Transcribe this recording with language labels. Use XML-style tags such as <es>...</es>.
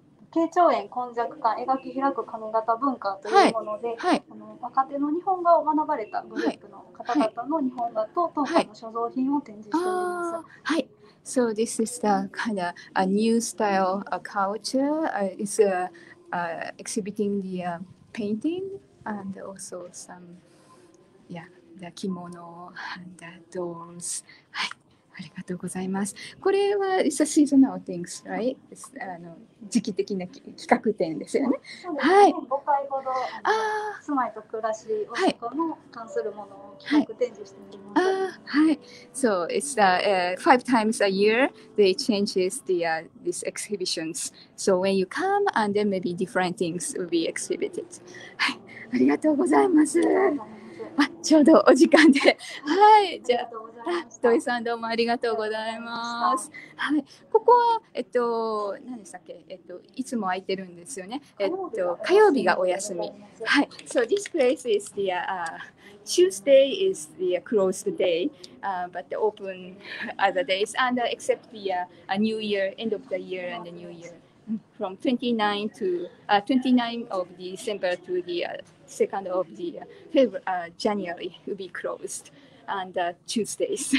<ja>慶長園今昔館描き開く髪型文化というもので、はいはい、若手の日本画を学ばれたグループの方々の日本画と当館の所蔵品を展示しております。はい。</ja> <en>So this is the kind of a new style culture. It's exhibiting the painting and also some, yeah, the kimono and the dolls.</en> <ja>はい、ありがとうございます。これ</ja> <en>は it's a seasonal things, right? It's,</en> <ja>時期的な企画展ですよね。はい。 5回ほど住まいと暮らし、大阪の関するものを企画展示しています。はい。</ja> <en>はい、so it's five times a year they changes the these exhibitions. So when you come and then maybe different things will be exhibited.</en> <ja>はい、ありがとうございます。あ、ちょうどお時間で、はい、じゃあ、土井さんどうもありがとうございます。はい、ここは何でしたっけ、いつも空いてるんですよね。火曜日がお休み。</ja> <en>はい、So this place is the Tuesday is the closed day, but the open other days and except the New Year, end of the year and the New Year, from 29 of December to the second of the January will be closed and Tuesdays.</en>